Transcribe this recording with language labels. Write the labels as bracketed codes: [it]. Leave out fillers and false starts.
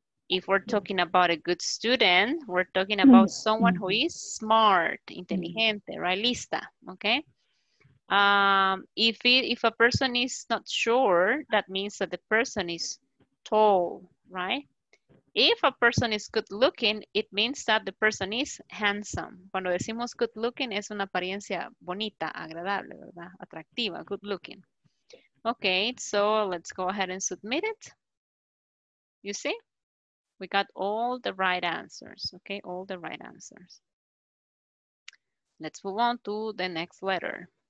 [en] If we're talking about a good student, we're talking about someone who is smart, inteligente, right? Lista, okay? If a person is not sure, that means that the person is tall, right? If a person is good looking, it means that the person is handsome. [es] Cuando decimos [en] good looking, [es] es una apariencia bonita, agradable, ¿verdad? Atractiva, good looking. [en] Okay, so let's go ahead and submit it. You see? We got all the right answers, okay? All the right answers. Let's move on to the next letter.